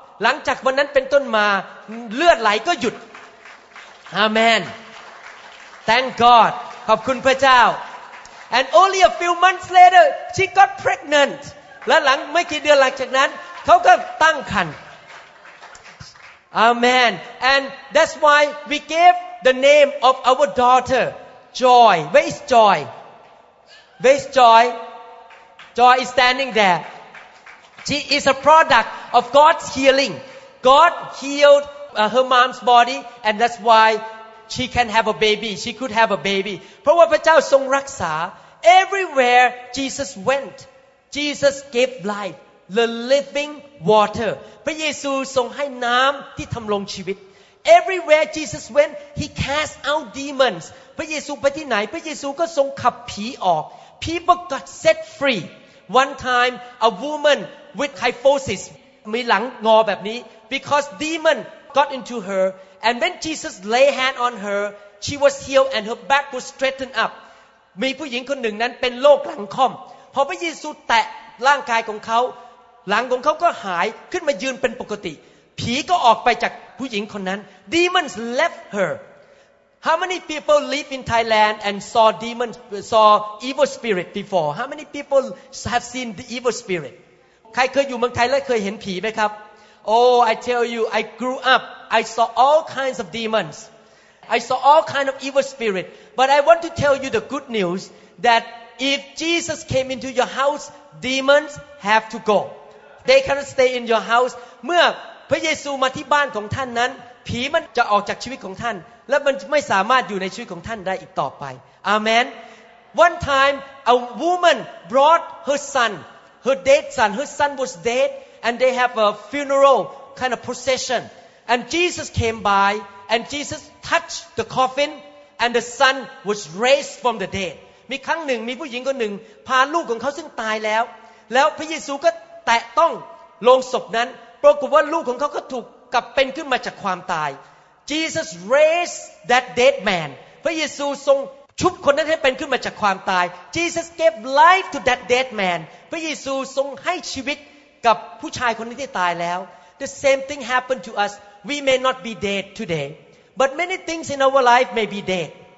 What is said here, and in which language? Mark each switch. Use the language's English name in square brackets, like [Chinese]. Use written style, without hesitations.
[Thai] หลังจากวันนั้นเป็นต้นมาเลือดไหลก็หยุด [English] Amen. Thank God. [Thai] ขอบคุณพระเจ้า [English] And only a few months later, she got pregnant. [Thai] และหลังไม่กี่เดือนหลังจากนั้นเขาก็ตั้งครรภ์ Amen. [English] And that's why we gave the name of our daughter, Joy. Where is Joy? Where is Joy? Joy is standing there. She is a product of God's healing. God healed her mom's body, and that's why she can have a baby. She could have a baby. [Thai] เพราะว่าพระเจ้าทรงรักษา [English] Everywhere Jesus went, Jesus gave life, the living water. [Thai] พระเยซูทรงให้น้ำที่ทำลงชีวิต [English] Everywhere Jesus went, he cast out demons. [Thai] พระเยซูไปที่ไหนพระเยซูก็ทรงขับผีออก [English] People got set free. One time, a woman with kyphosis, [Thai] มีหลังงอแบบนี้ [English] because demon got into her. And when Jesus lay hand on her, she was healed and her back was straightened up. [Thai] มีผู้หญิงคนหนึ่งนั้นเป็นโรคหลังค่อมพอพระเยซูแตะร่างกายของเขาหลังของเขาก็หายขึ้นมายืนเป็นปกติผีก็ออกไปจากผู้หญิงคนนั้น [English] demons left her how many people live in Thailand and saw demons saw evil spirit before how many people have seen the evil spirit [Thai] ใครเคยอยู่เมืองไทยแล้วเคยเห็นผีไหมครับ [English] oh I tell you I grew up I saw all kinds of demons I saw all kind of evil spirit but I want to tell you the good news thatIf Jesus came into your house, demons have to go. They cannot stay in your house. [Thai] เมื่อพระเยซูมาที่บ้านของท่านนั้นผีมันจะออกจากชีวิตของท่านและมันไม่สามารถอยู่ในชีวิตของท่านได้อีกต่อไป Amen. [English] One time, a woman brought her dead son was dead, and they have a funeral kind of procession. And Jesus came by, and Jesus touched the coffin, and the son was raised from the dead. [Thai] มีครั้งหนึ่งมีผู้หญิงคนหนึ่งพาลูกของเขาซึ่งตายแล้วแล้วพระเยซูก็แตะต้องโลงศพนั้นปรากฏว่าลูกของเขาก็ถูกกลับเป็นขึ้นมาจากความตาย [English] Jesus raised that dead man [Thai] พระเยซูทรงชุบคนนั้นให้เป็นขึ้นมาจากความตาย [English] Jesus gave life to that dead man [Thai] พระเยซูทรงให้ชีวิตกับผู้ชายคนนี้ที่ตายแล้ว [English] The same thing happened to us we may not be dead today but many things in our life may be dead